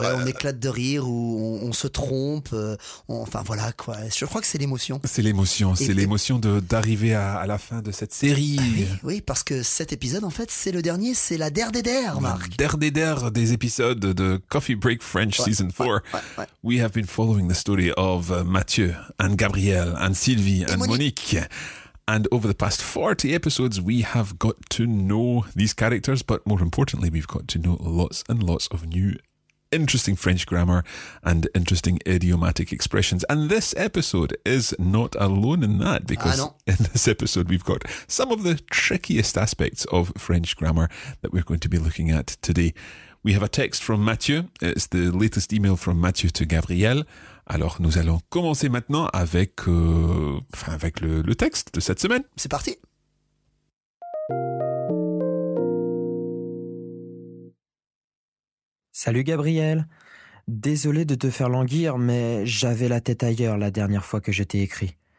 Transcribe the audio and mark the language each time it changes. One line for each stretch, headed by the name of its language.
French: Ouais, on éclate de rire ou on se trompe. Enfin voilà quoi, je crois que c'est l'émotion. C'est l'émotion, d'arriver à la fin de cette série. Oui, parce que cet épisode en fait c'est le dernier, c'est la der-der-der, Marc. Der-der-der des épisodes de Coffee Break French Season 4.
English: We have been following the story of Mathieu and Gabriel and Sylvie and Monique. And over the past 40 episodes, we have got to know these characters, but more importantly, we've got to know lots and lots of new interesting French grammar and interesting idiomatic expressions. And this episode is not alone in that, because in this episode, we've got some of the trickiest aspects of French grammar that we're going to be looking at today. We have a text from Mathieu. It's the latest email from Mathieu to Gabriel.
French: Alors, nous allons commencer maintenant avec le texte de cette semaine. C'est parti. Salut Gabriel. Désolé de te faire languir, mais j'avais la tête ailleurs la dernière fois que je t'ai écrit.